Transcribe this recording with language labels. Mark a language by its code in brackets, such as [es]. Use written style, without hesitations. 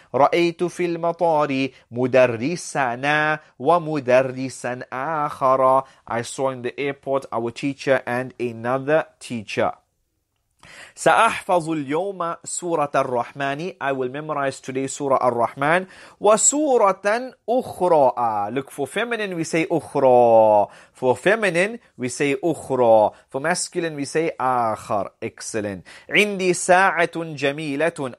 [ar] رأيت في المطار مدرسنا ومدرسا آخر. [en] I saw in the airport our teacher and another teacher. [ar] سأحفظ اليوم سورة الرحمن. [en] I will memorize today سورة الرحمن. [ar] وسورة أخرى. [en] Look for feminine, we say أخرى. For feminine, we say أخرى. For masculine, we say آخر. Excellent. [ar] عندي ساعة جميلة.